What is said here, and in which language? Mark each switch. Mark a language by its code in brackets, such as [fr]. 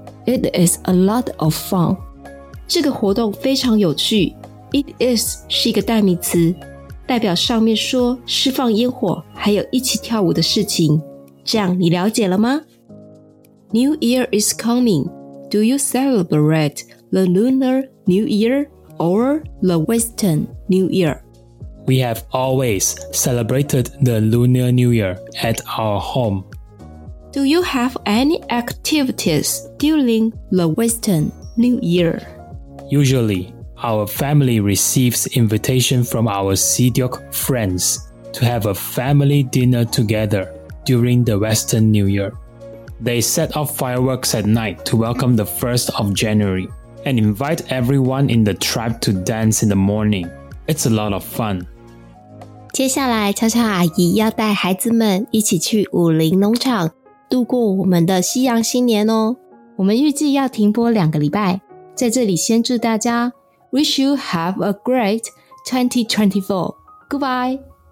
[en] It is a lot of fun [zh] 这个活动非常有趣 [en] It is [zh] 是一个代名词代表上面说释放烟火还有一起跳舞的事情这样你了解了吗 [en] New Year is coming Do you celebrate the Lunar New Year or the Western New Year? We have always celebrated the Lunar New Year at our home Do you have any activities during the Western New Year? Usually Our family receives invitation from our Sidiok friends to have a family dinner together during the Western New Year. They set off fireworks at night to welcome the 1st of January and invite everyone in the tribe to dance in the morning. It's a lot of fun. [zh] 接下来悄悄阿姨要带孩子们一起去武林农场度过我们的西洋新年哦。我们预计要停播两个礼拜在这里先祝大家 [en] Wish you have a great 2024. Goodbye.